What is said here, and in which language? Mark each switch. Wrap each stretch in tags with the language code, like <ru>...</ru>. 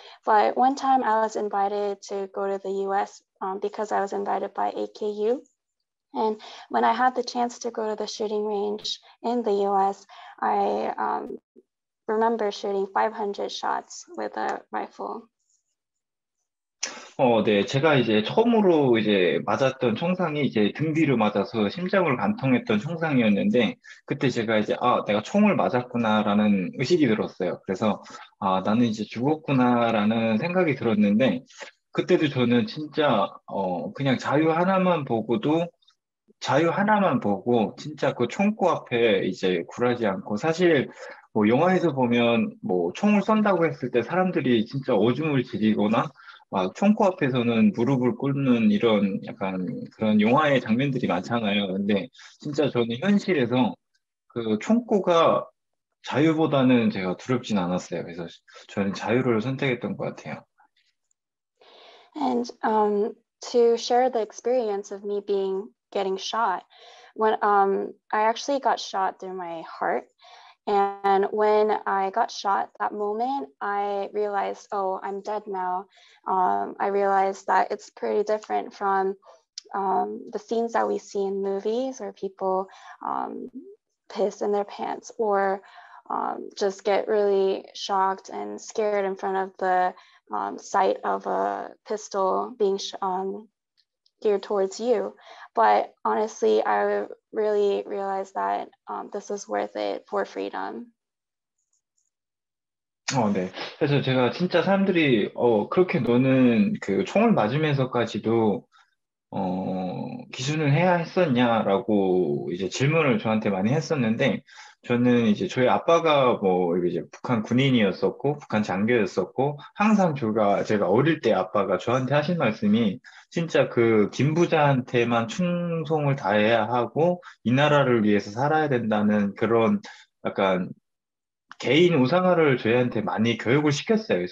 <en>But one time I was invited to go to the US because I was invited by AKU. And when I had the chance to go to the shooting range in the US, I remember shooting 500 shots with a rifle.</en> <ko>네. 제가 이제 처음으로 이제 맞았던 총상이 이제 등 뒤로 맞아서 심장을 관통했던 총상이었는데, 그때 제가 이제, 아, 내가 총을 맞았구나라는 의식이 들었어요. 그래서, 아, 나는 이제 죽었구나라는 생각이 들었는데, 그때도 저는 진짜, 그냥 자유 하나만 보고도, 자유 하나만 보고, 진짜 그 총구 앞에 이제 굴하지 않고, 사실, 뭐, 영화에서 보면, 뭐, 총을 쏜다고 했을 때 사람들이 진짜 오줌을 지리거나, 막 총구 앞에서는 무릎을 꿇는 이런 약간 그런 영화의 장면들이 많잖아요. 근데 진짜 저는 현실에서 그 총구가 자유보다는 제가 두렵진 않았어요. 그래서 저는 자유를 선택했던 것 같아요.</ko> <en>And to share the experience of me getting shot, when I actually got shot through my heart. And when I got shot, that moment, I realized, oh, I'm dead now. I realized that it's pretty different from the scenes that we see in movies where people piss in their pants or just get really shocked and scared in front of the sight of a pistol being geared towards you. But honestly, I really realized that this was worth it for freedom.</en> <ko>어, 네. 그래서 제가 진짜 사람들이 어, 그렇게 너는 그 총을 맞으면서까지도 어, 기준을 해야 했었냐라고 이제 질문을 저한테 많이 했었는데 저는 이제 저희 아빠가 뭐 이제 북한 군인이었었고 북한 장교였었고 항상 제가 어릴 때 아빠가 저한테 하신 말씀이 진짜 그 김부자한테만 충성을 다해야 하고 이 나라를 위해서 살아야 된다는 그런 약간 개인 우상화를 저희한테 많이 교육을 시켰어요.</ko>